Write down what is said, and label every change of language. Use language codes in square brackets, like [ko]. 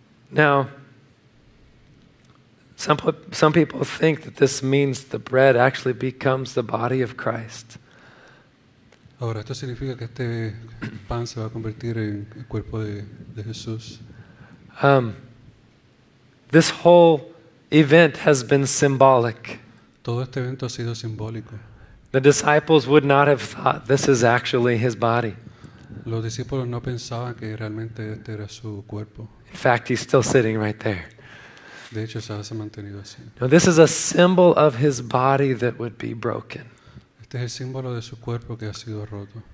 [en] Now, some people think that this means the bread actually becomes the body of Christ. [es] Ahora, esto significa que este pan se va a convertir en el cuerpo de Jesús. [en] This whole event has been symbolic. [es] Todo este evento ha sido simbólico. [en] The disciples would not have thought this is actually his body. [es] Los discípulos no pensaban que realmente este era su cuerpo. [en] In fact, he's still sitting right there. [es] De hecho, se ha mantenido así. [en] Now, this is a symbol of his body that would be broken. [es] Este es el símbolo de su cuerpo que ha sido roto.